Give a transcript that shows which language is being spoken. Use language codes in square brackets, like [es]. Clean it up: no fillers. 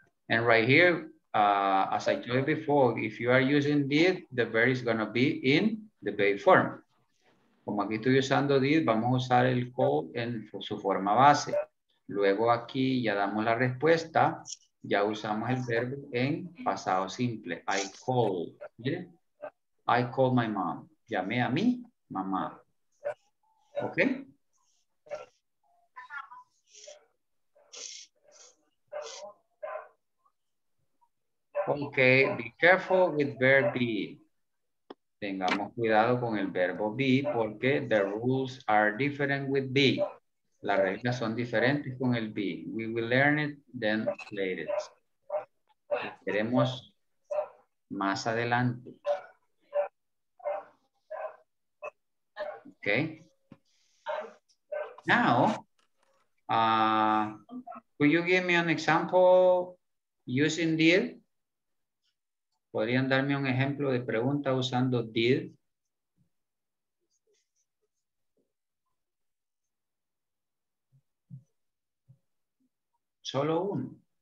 [en] And right here, as I told you before, if you are using did, the verb is going to be in the base form. [es] Como aquí estoy usando did, vamos a usar el call en su forma base. Luego aquí ya damos la respuesta, ya usamos el verbo en pasado simple. [en] I call, [es] ¿mire? [en] I call my mom. [es] Llamé a mi mamá. ¿Ok? [en] Ok, be careful with verb be. [es] Tengamos cuidado con el verbo be porque [en] the rules are different with be. [es] Las reglas son diferentes con el be. [en] We will learn it then later. [es] Lo veremos más adelante. [en] Okay. Now, could you give me an example using did? [es] ¿Podrían darme un ejemplo de pregunta usando did? Solo uno.